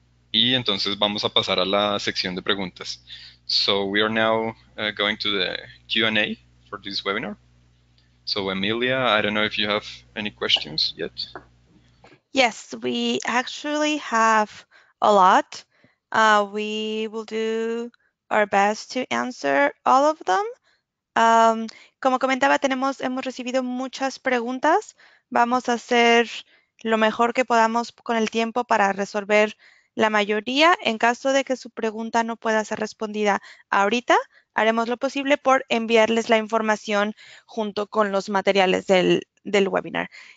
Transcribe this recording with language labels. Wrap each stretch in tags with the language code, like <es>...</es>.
<es>Y entonces vamos a pasar a la sección de preguntas.</es> <en>So we are now going to the Q&A for this webinar. So Emilia, I don't know if you have any questions yet. Yes, we actually have a lot. We will do our best to answer all of them.</en> <es>Como comentaba, hemos recibido muchas preguntas. Vamos a hacer lo mejor que podamos con el tiempo para resolver la mayoría. En caso de que su pregunta no pueda ser respondida ahorita, haremos lo posible por enviarles la información junto con los materiales del webinar.</es>